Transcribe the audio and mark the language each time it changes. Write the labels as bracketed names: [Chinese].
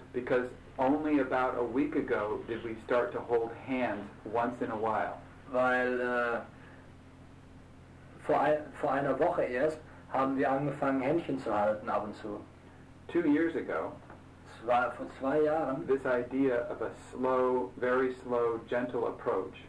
[English] Because only about a week ago did we start to hold hands once in a while. [German] Weil vor einer Woche erst haben wir angefangen Händchen zu halten ab und zu. [English] 2 years ago, [German] vor 2 Jahren, [English] this idea of a slow, very slow, gentle approach.